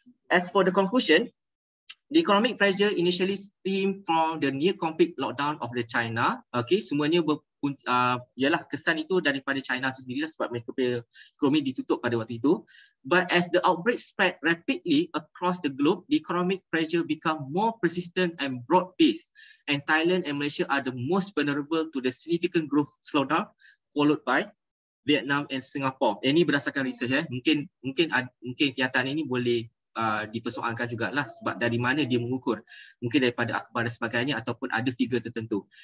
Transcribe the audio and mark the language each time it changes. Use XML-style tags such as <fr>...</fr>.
<en>As for the conclusion, the economic pressure initially stemmed from the near complete lockdown of the China.</en> <ms>Okay, semuanya ialah kesan itu daripada China sendiri lah, sebab mereka punya ekonomi ditutup pada waktu itu.</ms> <en>But as the outbreak spread rapidly across the globe, the economic pressure become more persistent and broad-based. And Thailand and Malaysia are the most vulnerable to the significant growth slowdown, followed by Vietnam and Singapore.</en> <ms>Ini berdasarkan research mungkin kenyataan ini boleh dipersoalkan jugalah, sebab dari mana dia mengukur, mungkin daripada akhbar dan sebagainya ataupun ada figure tertentu.</ms>